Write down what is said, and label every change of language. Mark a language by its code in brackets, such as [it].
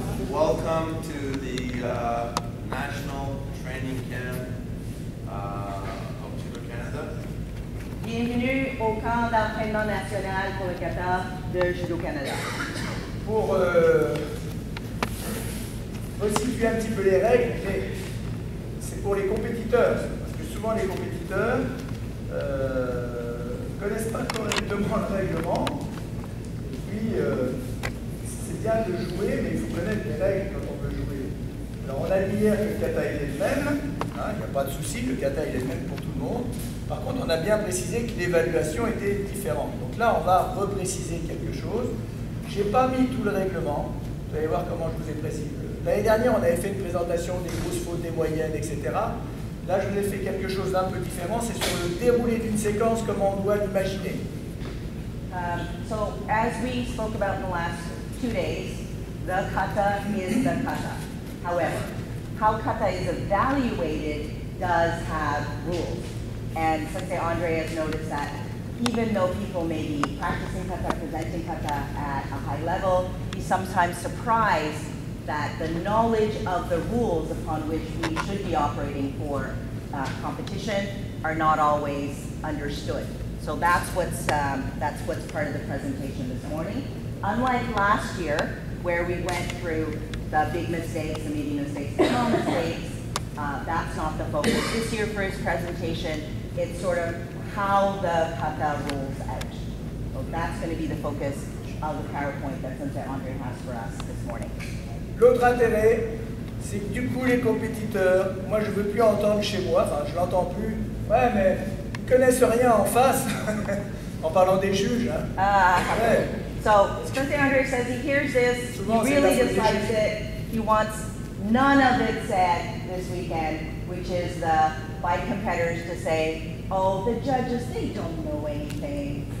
[en] Welcome to the National Training Camp of Tudor Canada. [fr] Bienvenue au camp d'entraînement national pour le kata de Judo Canada. Pour resituer un petit peu les règles, c'est pour les compétiteurs. Parce que souvent les compétiteurs ne connaissent pas correctement le règlement. Et puis, c'est bien de jouer, mais il faut connaître les règles quand on veut jouer. Alors on a dit hier que le kata est le même. Il n'y a pas de souci, le kata est le même pour tout le monde. Par contre, on a bien précisé que l'évaluation était différente. Donc là, on va repréciser quelque chose. Je n'ai pas mis tout le règlement. Vous allez voir comment je vous ai précisé. L'année dernière, on avait fait une présentation des grosses fautes, des moyennes, etc. Là, je vous ai fait quelque chose d'un peu différent. C'est sur le déroulé d'une séquence, comment on doit l'imaginer. [en] So, as we spoke about in the last 2 days, the kata is the kata. However, how kata is evaluated does have rules. And Sensei Andre has noticed that even though people may be practicing kata, presenting kata at a high level, he's sometimes surprised that the knowledge of the rules upon which we should be operating for competition are not always understood. So that's what's part of the presentation this morning. Unlike last year, where we went through the big mistakes, the medium mistakes, the small mistakes, that's not the focus. This year for his presentation, it's sort of how the kata rolls out. So that's going to be the focus of the PowerPoint that Sensei Andre has for us this morning. [fr] L'autre intérêt, c'est que du coup les compétiteurs, moi je ne veux plus entendre chez moi, enfin je l'entends plus, ouais mais ils ne connaissent rien en face, en parlant des juges. [en] Sensei Andre says he hears this, [fr] souvent, [en] he really dislikes it, he wants none of it said this weekend, which is the by competitors to say, oh the judges, they don't know anything.